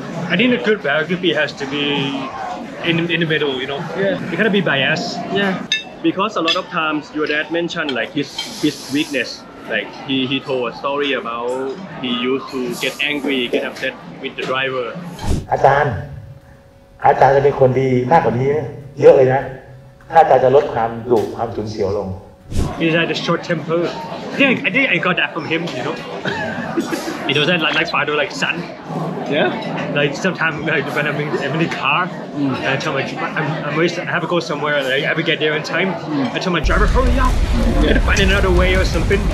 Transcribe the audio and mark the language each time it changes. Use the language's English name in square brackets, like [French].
[English] I think a good biography has to be in the middle, you know. Yeah. It cannot be biased. Yeah. Because a lot of times your dad mentioned like his weakness. Like he told a story about he used to get angry, get upset with the driver. [Thai] อาจารย์อาจารย์จะเป็นคนดีมากกว่านี้เยอะเลยนะถ้าอาจารย์จะลดความดุความฉุนเฉียวลง [English] He had a short temper. I think I got that from him, you know. It was like father, like son. Yeah. Like sometimes like, when I'm in the car, mm. I tell my I'm always I have to go somewhere. Like, I ever get there in time, I tell my driver, hurry up, yeah. to find another way or something.